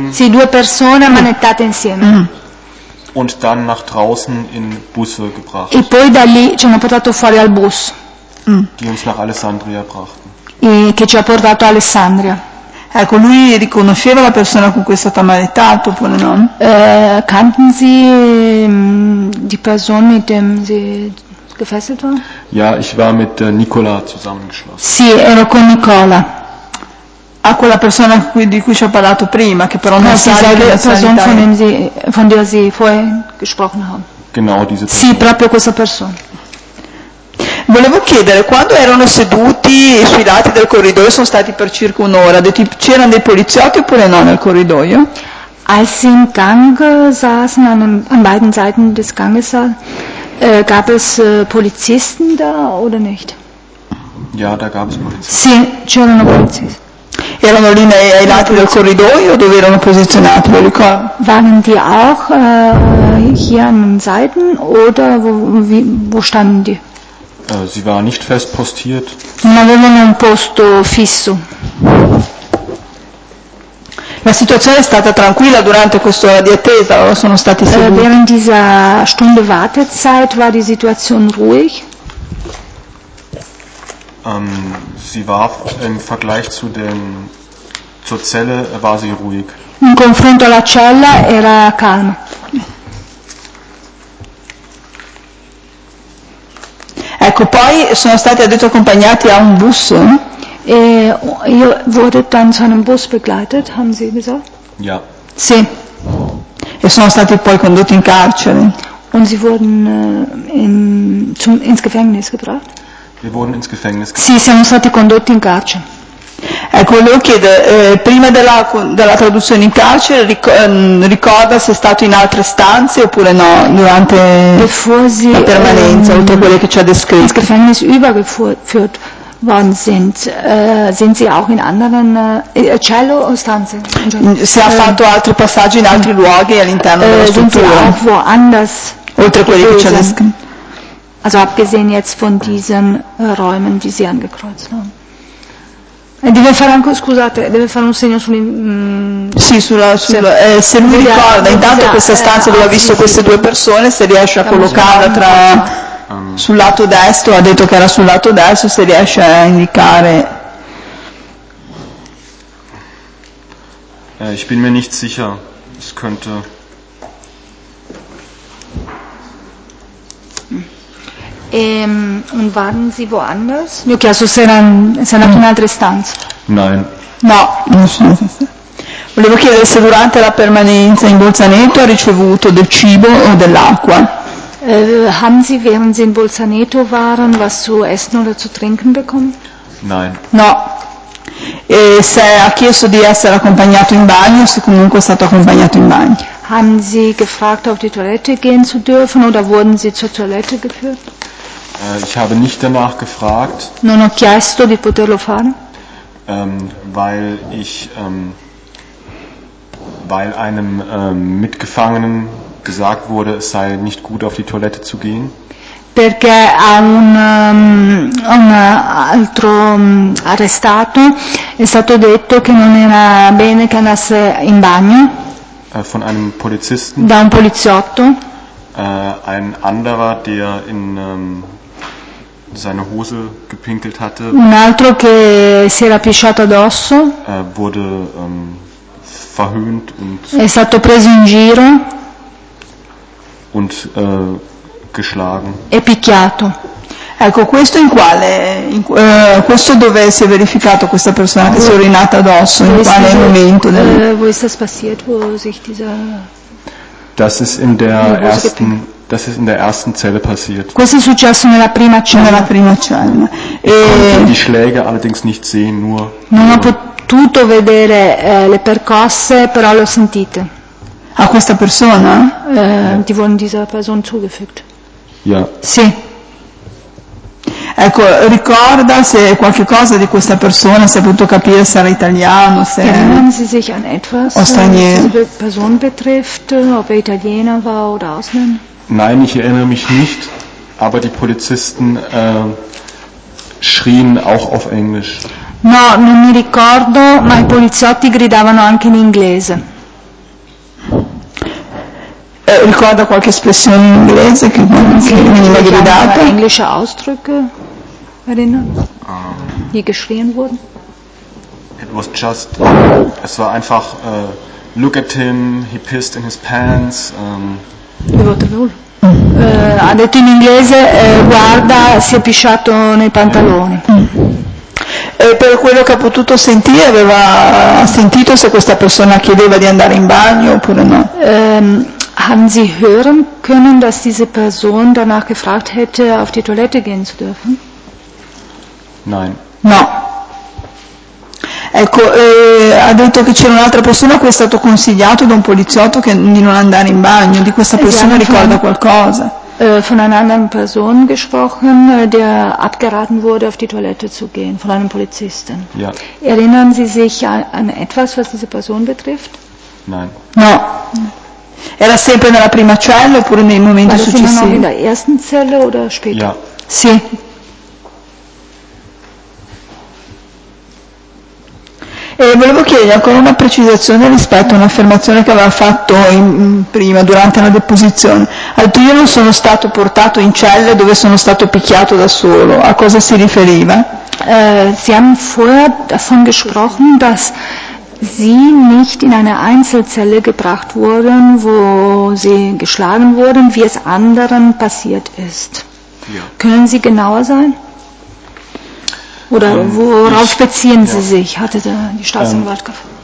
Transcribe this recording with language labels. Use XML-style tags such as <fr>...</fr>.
<it>Due persone manettate insieme.</it> <de>Und dann nach draußen in Busse gebracht.</de> <it>E poi da lì ci hanno portato fuori al bus.</it> <de>Die uns nach Alessandria brachten.</de> <it>E che ci ha portato Alessandria. Ecco, lui riconosceva la persona con cui è stata manettato, oppure no?</it> <de>Kannten Sie die Person mit dem sie gefesselt war? Ja, ich war mit Nicola zusammengeschlossen.</de> <it>Sì, ero con Nicola. A quella persona di cui ci ho parlato prima, che però non sa che</it> <de>Person von der sie vorher gesprochen haben. Genau diese Person.</de> <it>Sì, proprio questa persona. Volevo chiedere, quando erano seduti sui lati del corridoio, sono stati per circa un'ora, c'erano dei poliziotti oppure no nel corridoio?</it> <de>Als sie im Gang saßen, an beiden Seiten des Ganges saßen, gab es Polizisten da oder nicht? Ja, da gab es Polizisten.</de> <it>Sì, c'erano Polizisten. Erano lì ai lati del corridoio dove erano posizionati, lo ricordo?</it> <de>Waren die auch hier an den Seiten oder wo standen die? Sie war nicht fest postiert.</de> <it>Non avevano un posto fisso. La situazione è stata tranquilla durante quest'ora di attesa, o sono stati seduti?</it> <de>Während dieser Stunde Wartezeit war die Situation ruhig. Sie war im Vergleich zu den zur Zelle war sie ruhig.</de> <it>In confronto alla cella era calma. Ecco, poi sono stati addetto accompagnati a un bus.</it> <de>Ihr wurdet dann zu einem Bus begleitet, haben Sie gesagt? Ja.</de> <it>Sì. E sono stati poi condotti in carcere.</it> <de>Und sie wurden ins Gefängnis gebracht. Wir wurden ins Gefängnis gebracht.</de> <it>Sì, siamo stati condotti in carcere. Ecco, volevo chiedere, prima della traduzione in carcere, ricorda se è stato in altre stanze oppure no, durante</it> <de>sie,</de> <it>la permanenza, oltre a quelle che ci ha descritto.</it> <de>Ins Gefängnis übergeführt worden sind sie auch in anderen Cello</de> <it>o stanze? Se ha fatto altri passaggi in altri luoghi all'interno della struttura.</it> <de>Sind sie auch woanders</de> <it>oltre a quelle che ci ha descritto.</it> <de>Also abgesehen jetzt von diesen Räumen, die sie angekreuzt haben.</de> <it>Deve fare un segno se lui ricorda intanto questa stanza dove ha visto queste due persone, se riesce a collocarla tra sul lato destro, ha detto che era sul lato destro, se riesce a indicare.</it> <de>Ich bin mir nicht sicher, es könnte. Und waren sie woanders?</de> <it>Gli ho chiesto se erano in altre stanze.</it> <de>Nein.</de> <it>No, non sono. Volevo chiedere se durante la permanenza in Bolzaneto ha ricevuto del cibo o dell'acqua.</it> <de>Haben sie, während sie in Bolzaneto waren, was zu essen oder zu trinken bekommen? Nein.</de> <it>No. E se ha chiesto di essere accompagnato in bagno, se comunque è stato accompagnato in bagno.</it> <de>Haben sie gefragt, auf die Toilette gehen zu dürfen oder wurden sie zur Toilette geführt? Ich habe nicht danach gefragt.</de> <it>Non ho chiesto di poterlo fare.</it> <de>Weil ich weil einem Mitgefangenen gesagt wurde, es sei nicht gut, auf die Toilette zu gehen.</de> <it>Perché a un altro arrestato è stato detto che non era bene che andasse in bagno.</it> <de>Von einem Polizisten.</de> <it>Da un poliziotto.</it> <de>Ein anderer, der in seine Hose gepinkelt hatte.</de> <it>Un altro che si era pisciato addosso.</it> <de>Wurde verhöhnt und.</de> <it>È stato preso in giro.</it> <de>Und geschlagen.</de> <it>E picchiato. Ecco, questo in quale? Questo dove si è verificato questa persona che si è urinata addosso? In quale momento?</it> <de>Wo ist das passiert, wo sich dieser. Das ist in der ersten Zelle passiert.</de> <it>Questo è successo nella prima cella. Nella prima cella.</it> <de>E ich konnte die Schläge allerdings nicht sehen, nur.</de> <it>Non ho potuto vedere le percosse, però le ho sentite. A questa persona?</it> <de>Die wurden dieser Person zugefügt. Ja.</de> <it>Sì. Ecco, ricorda se qualche cosa di questa persona, se ha potuto capire se era italiano, se.</it> <de>Erinnern Sie sich an etwas, was diese Person betrifft, ob er Italiener war oder Ausländer? Nein, ich erinnere mich nicht, aber die Polizisten schrien auch auf Englisch.</de> <it>No, non mi ricordo, ma i poliziotti gridavano anche in inglese. Ricorda qualche espressione in inglese che veniva gridata?</it> <de>Englische Ausdrücke erinnern, die geschrien wurden?</de> <en>It was just,</en> <de>es war einfach,</de> <en>look at him, he pissed in his pants.</en> <it>Devo tradurre. Ha detto in inglese, guarda, si è pisciato nei pantaloni. E per quello che ha potuto sentire, aveva sentito se questa persona chiedeva di andare in bagno oppure no?</it> <de>Haben Sie hören können, dass diese Person danach gefragt hätte, auf die Toilette gehen zu dürfen? Nein.</de> <it>No. Ecco, ha detto che c'era un'altra persona a cui è stato consigliato da un poliziotto che, di non andare in bagno. Di questa persona ricorda qualcosa?</it> <de>Von einer anderen Person gesprochen, der abgeraten wurde, auf die Toilette zu gehen, von einem Polizisten. Ja. Erinnern Sie sich an etwas, was diese Person betrifft? Nein.</de> <it>No. Era sempre nella prima cella oppure nei momenti successivi?</it> <de>In der ersten Zelle oder später? Ja.</de> <it>Sì. E volevo chiedere ancora una precisazione rispetto a un'affermazione che aveva fatto prima, durante la deposizione. Ha detto, io non sono stato portato in celle dove sono stato picchiato da solo. A cosa si riferiva?</it> <de>Sie haben vorher davon gesprochen, dass Sie nicht in eine Einzelzelle gebracht wurden, wo Sie geschlagen wurden, wie es anderen passiert ist. Ja. Können Sie genauer sein? Oder worauf beziehen Sie sich, hatte da die Staatsanwalt gefragt.</de>